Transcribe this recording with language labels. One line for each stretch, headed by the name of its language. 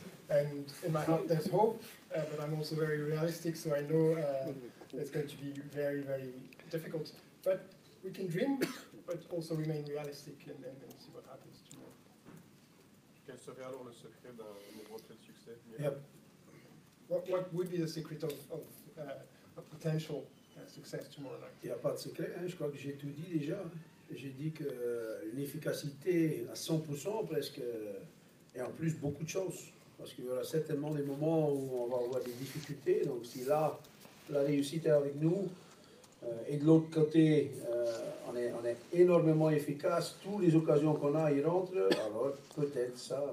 English: And in my heart there's hope, but I'm also very realistic, so I know it's going to be very, very difficult. But we can dream, but also remain realistic and see what happens tomorrow.
French: Quel serait alors le secret d'un éventuel succès?
English: Yep. What would be the secret of a potential success tomorrow night?
French: Il n'y a pas de secret, hein. Je crois que j'ai tout dit déjà. J'ai dit que l'efficacité à 100% presque, et en plus beaucoup de choses. Parce qu'il y aura certainement des moments où on va avoir des difficultés. Donc si là, la réussite est avec nous, et de l'autre côté, on est énormément efficace, toutes les occasions qu'on a, ils rentrent, alors peut-être ça.